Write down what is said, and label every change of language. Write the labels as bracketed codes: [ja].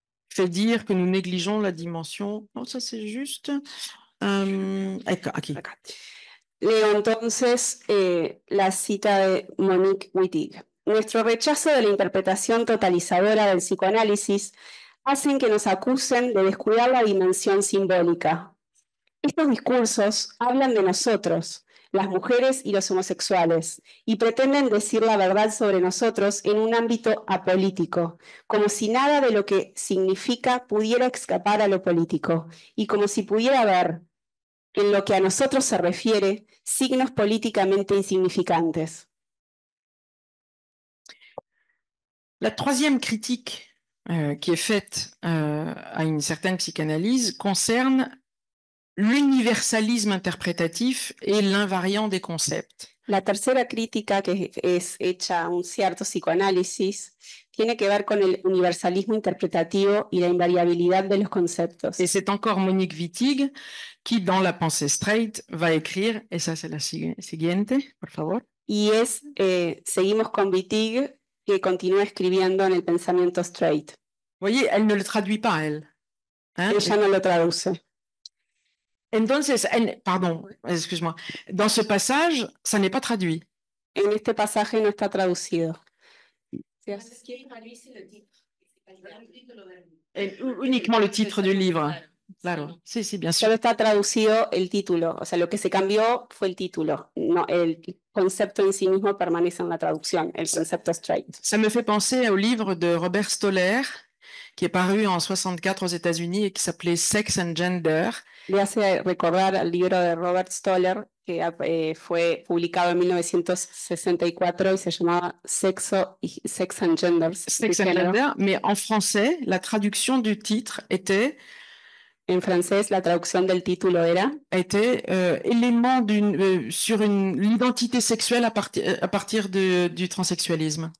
[fr] fait dire que nous négligeons la dimension, non, ça c'est juste, [es] aquí. Leo entonces la cita de Monique Wittig. Nuestro rechazo de la interpretación totalizadora del psicoanálisis hacen que nos acusen de descuidar la dimensión simbólica. Estos discursos hablan de nosotros, las mujeres y los homosexuales, y pretenden decir la verdad sobre nosotros en un ámbito apolítico, como si nada de lo que significa pudiera escapar a lo político, y como si pudiera haber, en lo que a nosotros se refiere, signos políticamente insignificantes. [fr] La troisième critique qui est faite à une certaine psychanalyse concerne l'universalisme interprétatif et l'invariant des concepts. [es] La tercera crítica que es hecha a un cierto psicoanálisis tiene que ver con el universalismo interpretativo y la invariabilidad de los [fr] Et [es] conceptos. [fr] c'est encore Monique Wittig qui, dans la pensée straight, va écrire, et ça c'est [es] la siguiente, por favor. Y es, seguimos con Wittig, que continúa escribiendo en el pensamiento straight. [fr] Vous voyez, elle ne le traduit pas, elle. Hein? [es] Ella no lo traduce. Entonces, [fr] pardon, excuse-moi. Dans ce passage, ça n'est pas traduit. [es] En este pasaje no está traducido. [fr] Uniquement le titre du livre. [es] Claro, sí, bien [fr] sûr. [es] Solo está traducido el título, o sea, lo que se cambió fue el título, no, el concepto en sí mismo permanece en la traducción, el concepto straight. [fr] Ça me fait penser au livre de Robert Stoller, qui est paru en 64 aux États-Unis et qui s'appelait Sex and Gender. [es] Me hace recordar el libro de Robert Stoller, que fue publicado en 1964 y se llamaba Sexo y, Sex and Gender. [fr] Sex and Gender, mais en français, la traduction du titre était... En français, [es] la traducción del título era... [fr] Était élément d'une, sur une, l'identité sexuelle à partir de, du transsexualisme.